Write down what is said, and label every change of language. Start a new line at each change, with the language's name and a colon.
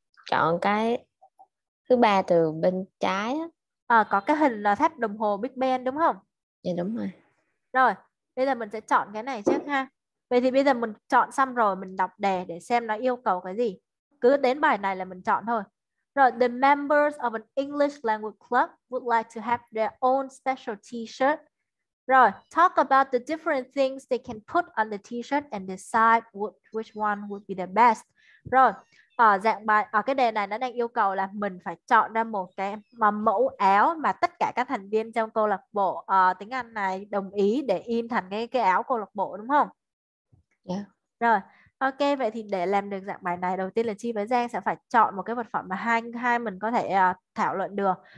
Vietnamese: Chọn cái thứ ba từ bên trái á. À, có cái hình là tháp đồng hồ Big Ben đúng không? Dạ đúng rồi. Rồi, bây giờ mình sẽ chọn cái này trước ha. Vậy thì bây giờ mình chọn xong rồi mình đọc đề để xem nó yêu cầu cái gì. Cứ đến bài này là mình chọn thôi.
English: Rồi, the members of an English language club would like to have their own special t-shirt. Rồi, talk about the different things they can put on the t-shirt and decide which one would be the best.
Vietnamese: Rồi, ở dạng bài ở cái đề này nó đang yêu cầu là mình phải chọn ra một cái mà mẫu áo mà tất cả các thành viên trong câu lạc bộ tiếng Anh này đồng ý để in thành cái áo câu lạc bộ đúng không? Rồi, ok, vậy thì để làm được dạng bài này, đầu tiên là Chi với Giang sẽ phải chọn một cái vật phẩm mà hai hai mình có thể thảo luận được.